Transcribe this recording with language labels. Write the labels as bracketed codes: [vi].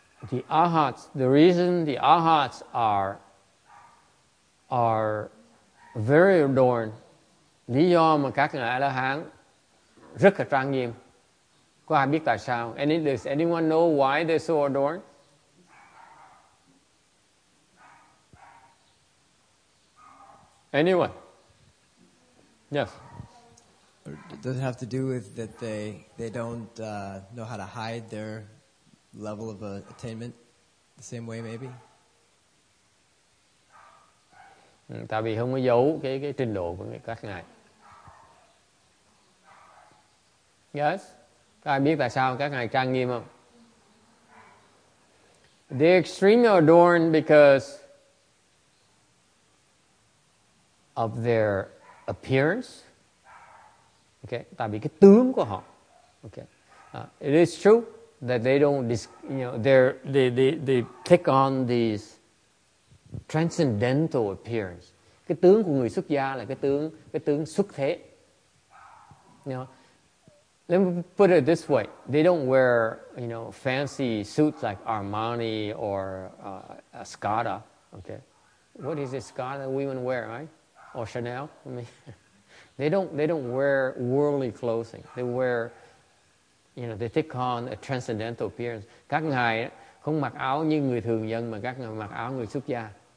[en] The arhats, the reason the arhats are very adorned, [vi] lý do mà các ngài A-la-hán rất là trang nghiêm. Có ai biết tại sao? [en] And does anyone know why they're so adorned? Anyone? Yes. Does it have to do with that they don't know how to hide their level of attainment the same way maybe? [vi] Tại vì không có giấu cái trình độ của các ngài. Yes? Các ai biết tại sao các ngài trang nghiêm không? [en] They're extremely adorned because of their appearance. [vi] Okay, tại vì cái tướng của họ. [en] Okay. It is true that they don't they take on these transcendental appearance. [vi] Cái tướng của người xuất gia là cái tướng xuất thế. [en] Let me put it this way. They don't wear, fancy suits like Armani or Escada. Okay. What is Escada women wear, right? Or Chanel? I mean, they don't wear worldly clothing. They wear, they take on a transcendental appearance. [vi] Các ngài không mặc áo như người thường dân mà các ngài mặc áo người xuất gia.